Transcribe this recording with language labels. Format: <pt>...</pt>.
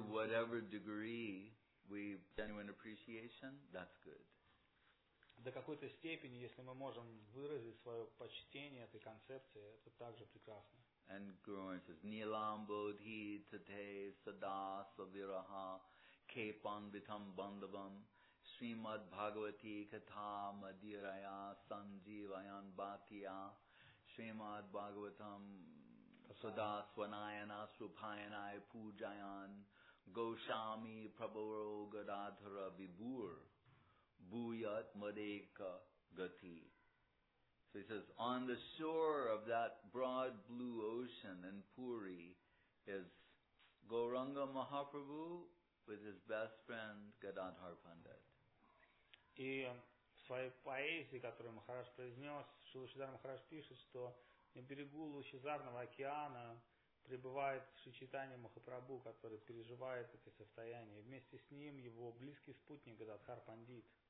<en>To whatever degree we genuine appreciation, that's good.</en> <ru>До какой-то степени, если мы можем выразить свое почтение этой концепции, это также прекрасно.</ru> <sa>And Guru says, Nilam bodhi tate sada saviraha kepan vitam bandhavam srimad bhagavati katha madiraya sanjivayan bhatiya srimad bhagavatam sada swanayana supayanai pujayan goshami prabhuro gadadhara vibhur bhuyat madeka gati.</sa> <en>So he says, on the shore of that broad blue ocean in Puri is Gauranga Mahaprabhu with his best friend Gadadhar Pandit.</en> <ru>И в своей поэзии, которую Махарадж произнес, Шрила Шридхар Махарадж пишет, что на берегу Лучезарного океана пребывает Шри Чайтанья Махапрабху, который переживает эти состояния. И вместе с ним его близкий спутник Гададхар Пандит.</ru>